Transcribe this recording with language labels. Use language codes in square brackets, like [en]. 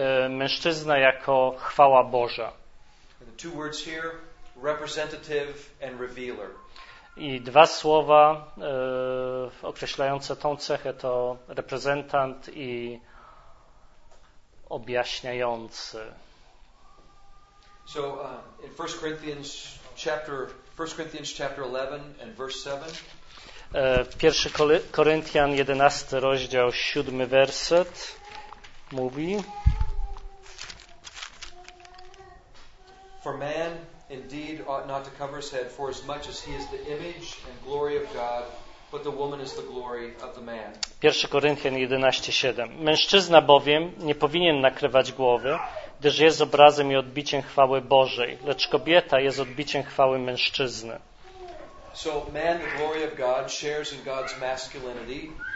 [pl] Mężczyzna jako chwała Boża. [en] And the two words here, representative and revealer. [pl] I dwa słowa określające tą cechę to reprezentant i objaśniający. [en] So in 1 Corinthians chapter 11 and verse 7. [pl] 1 Koryntian 11 rozdział 7 werset mówi: [en] For man indeed ought not to cover his head, for as much as he is the image and glory of God, but the woman is the glory of the man. [pl] 1 Koryntian 11:7. Mężczyzna bowiem nie powinien nakrywać głowy, gdyż jest obrazem i odbiciem chwały Bożej, lecz kobieta jest odbiciem chwały mężczyzny. [en] So man, the glory of God, shares in God's masculinity.